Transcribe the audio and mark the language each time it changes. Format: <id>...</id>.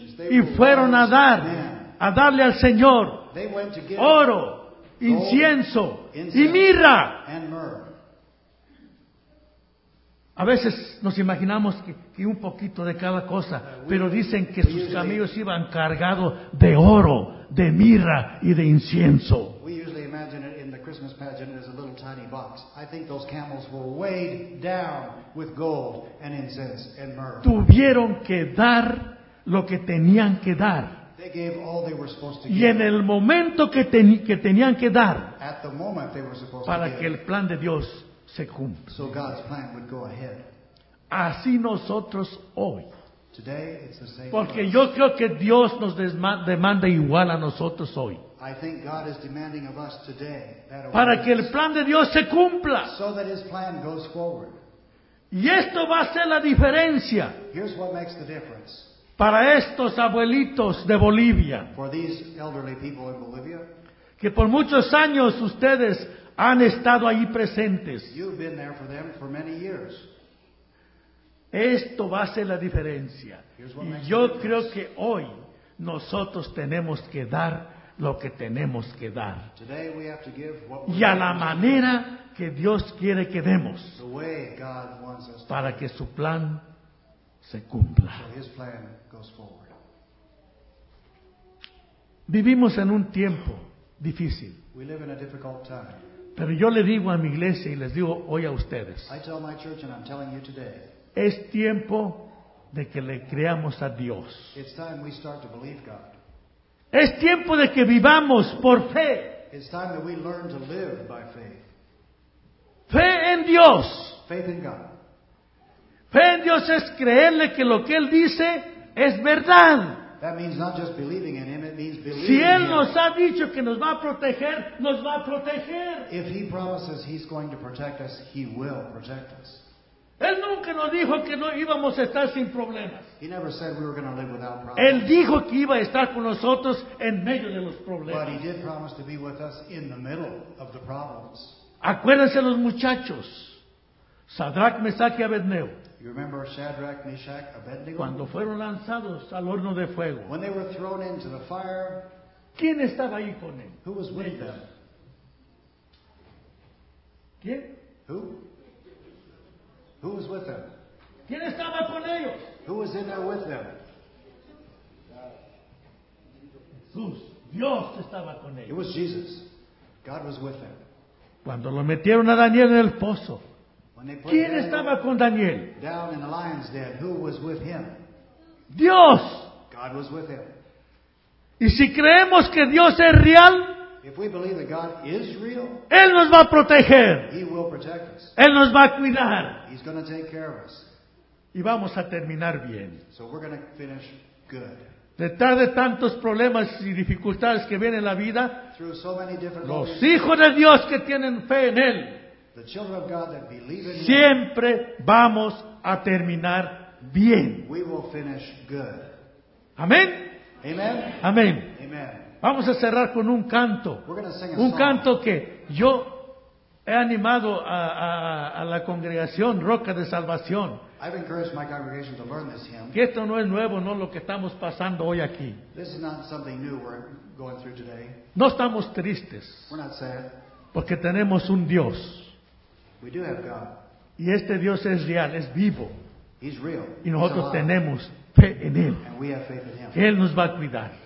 <es>Y fueron a dar, a darle al Señor oro, incienso y mirra. A veces nos imaginamos que un poquito de cada cosa, pero dicen que sus camellos iban cargados de oro, de mirra y de incienso.</es> <en>Christmas pageant is a little tiny box. I think those camels were weighed down with gold and incense and myrrh.</en> <es>Tuvieron que dar lo que tenían que dar.</es> <en>They gave all they were supposed to</en> <es>give. Y en el momento que tenían que dar,</es> <en>at the moment they were supposed</en> <es>para</es> <en>to give,</en> <es>que el plan de Dios se cumpla.</es> <en>So God's plan would go ahead.</en> <es>Así nosotros hoy.</es> <en>Today it's the same.</en> <es>Porque yo creo que Dios nos demanda igual a nosotros hoy.</es> <en>I think God is demanding of us today that</en> <es>para que el plan de Dios se cumpla.</es> <en>So that his plan goes forward.</en> <es>Y esto va a ser la diferencia.</es> <en>Here's what makes the difference.</en> <es>Para estos abuelitos de Bolivia.</es> <en>For these elderly people in Bolivia.</en> <es>Que por muchos años ustedes han estado ahí presentes.</es> <en>You've been there for them for many years.</en> <es>Esto va a ser la diferencia.</es> <en>Here's what</en> <es>y</es> <en>makes</en> <es>yo</es> <en>the difference.</en> <es>Creo que hoy nosotros tenemos que dar lo que tenemos que dar.</es> <en>Today we have to give what</en> <es>y a la manera que Dios quiere que demos.</es> <en>The way God wants us</en> <es>para</es> <en>to</en> <es>que su plan se cumpla.</es> <en>So his plan goes forward.</en> <es>Vivimos en un tiempo difícil.</es> <en>We live in a difficult time.</en> <es>Pero yo le digo a mi iglesia y les digo hoy a ustedes.</es> <en>I tell my church and I'm telling you today.</en> <es>Es tiempo de que le creamos a Dios.</es> <en>It's time we start to believe God.</en> <es>Es tiempo de que vivamos por fe.</es> <en>It's time that we learn to live by faith.</en> <es>Fe en Dios.</es> <en>Faith in God.</en> <es>Fe en Dios es creerle que lo que Él dice es verdad.</es> <en>That means not just believing in him, it means believing.</en> <es>Si él nos ha dicho que nos va a proteger, nos va a proteger.</es> <en>If he promises he's going to protect us, he will protect us.</en> <es>Él nunca nos dijo que no íbamos a estar sin problemas.</es> <en>He never said we were going to live without problems.</en> <es>Él dijo que iba a estar con nosotros en medio de los problemas.</es> <en>But he did promise to be with us in the middle of the problems.</en> <es>Acuérdense los muchachos. Sadrach, Meshach y Abednego.</es> <en>You remember Shadrach, Meshach, Abednego?</en> <es>Cuando fueron lanzados al horno de fuego.</es> <en>When they were thrown into the fire.</en> <es>¿Quién estaba ahí con él?</es> <en>Who was with them?</en> <es>¿Quién?</es> <en>Who? Who was with them?</en> <es>¿Quién estaba con ellos?</es> <en>Who was in there with them?</en> <es>Jesús. Dios estaba con ellos.</es> <en>It was Jesus. God was with them.</en> <es>Cuando lo metieron a Daniel en el pozo. ¿Quién estaba con Daniel?</es> <en>Down in the lion's den, who was with him?</en> <es>Dios.</es> <en>God was with him.</en> <es>Y si creemos que Dios es real,</es> <en>if we believe that God is real,</en> <es>él nos va a proteger.</es> <en>He will protect us.</en> <es>Él nos va a cuidar.</es> <en>He's going to take care of us.</en> <es>Y vamos a terminar bien.</es> <en>So we're going to finish good.</en> <es>Detrás de tantos problemas y dificultades que vienen en la vida,</es> <en>through so many different</en> <es>los problems, hijos de Dios que tienen fe en él,</es> <en>the children of God that believe in</en> <es>siempre</es> <en>him,</en> <es>vamos a terminar bien.</es> <en>We will finish good.</en> <es>Amén.</es> <en>Amen.</en> <es>Amén.</es> <en>Amen.</en> <es>Vamos a cerrar con un canto.</es> <en>We're going to sing a</en> <es>un</es> <en>song.</en> <es>Canto que yo he animado a la congregación Roca de Salvación.</es> <en>I've encouraged my congregation to learn this hymn.</en> <es>Que esto no es nuevo, no lo que estamos pasando hoy aquí.</es> <en>This is not something new we're going through today.</en> <es>No estamos tristes.</es> <en>We're not sad.</en> <es>Porque tenemos un Dios.</es> <en>We do have God.</en> <es>Y este Dios es real, es vivo.</es> <en>He's real.</en> <es>Y nosotros tenemos fe en Él.</es> <en>And we have faith in him.</en> <es>Él nos va a cuidar.</es>